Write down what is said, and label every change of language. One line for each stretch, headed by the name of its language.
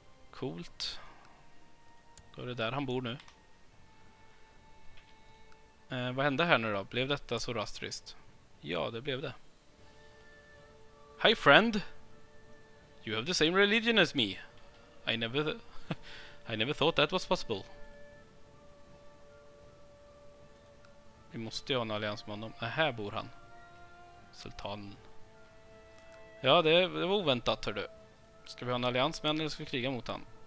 Swedish: Coolt. Då är det där han bor nu. Vad hände här nu då? Blev detta så rastriskt? Ja, det blev det.
English: Hi friend! You have the same religion as me. I never thought that was possible.
Swedish: Vi måste ju ha en allians med honom. Här bor han. Sultanen. Ja, det var oväntat, hör du. Ska vi ha en allians med honom eller ska vi kriga mot honom?